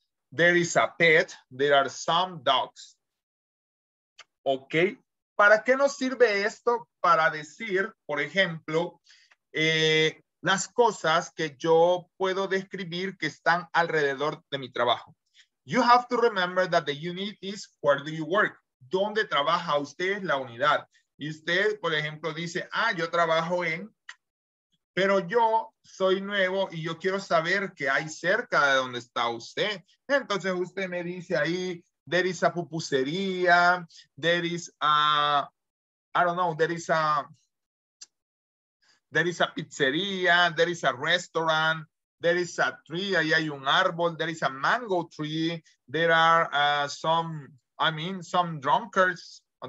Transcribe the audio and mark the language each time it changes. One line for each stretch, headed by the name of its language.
English: There is a pet, there are some dogs.
Spanish: ¿Ok? ¿Para qué nos sirve esto? Para decir, por ejemplo, las cosas que yo puedo describir que están alrededor de mi trabajo.
English: You have to remember that the unit is where do you work?
Spanish: ¿Dónde trabaja usted la unidad? Y usted, por ejemplo, dice, ah, yo trabajo en, pero yo soy nuevo y yo quiero saber qué hay cerca de donde está usted. Entonces usted me dice ahí,
English: there is a pupusería, there is a, I don't know, there is a pizzería, there is a restaurant, there is a tree,
Spanish: ahí hay un árbol,
English: there is a mango tree, there are some drunkards.